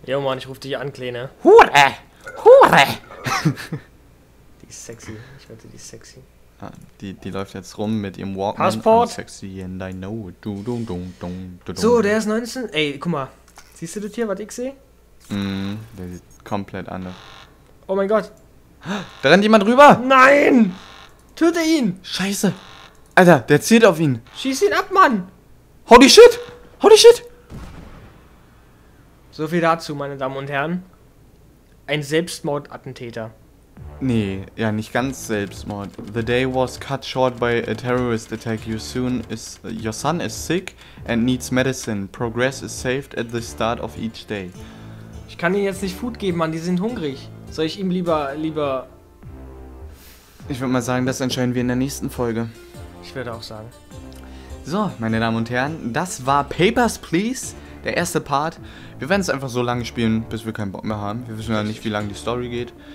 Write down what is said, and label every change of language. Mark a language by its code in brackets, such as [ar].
[de] Jo, Mann, ich ruf dich an, Kleine. Hure! Hure! Sexy, ich wollte die sexy. Ah, die läuft jetzt rum mit ihrem Walkman. [en] Passport! Sexy and I know. Du, dun, dun, dun, dun, dun. [de] So, der ist 19. Ey, guck mal. Siehst du das hier, was ich sehe? Der sieht komplett anders. Oh mein Gott. Da rennt jemand rüber. Nein. Töte ihn. Scheiße. Alter, der zielt auf ihn. Schieß ihn ab, Mann. [en] Holy shit. Holy shit. [de] So viel dazu, meine Damen und Herren. Ein Selbstmordattentäter. Nee, ja, nicht ganz Selbstmord. [en] The day was cut short by a terrorist attack. Your son is sick and needs medicine. Progress is saved at the start of each day. [de] Ich kann ihnen jetzt nicht Food geben, Mann, die sind hungrig. Soll ich ihm lieber... Ich würde mal sagen, das entscheiden wir in der nächsten Folge. Ich würde auch sagen. So, meine Damen und Herren, das war Papers, Please. Der erste Part. Wir werden es einfach so lange spielen, bis wir keinen Bock mehr haben. Wir wissen ja nicht, wie lange die Story geht.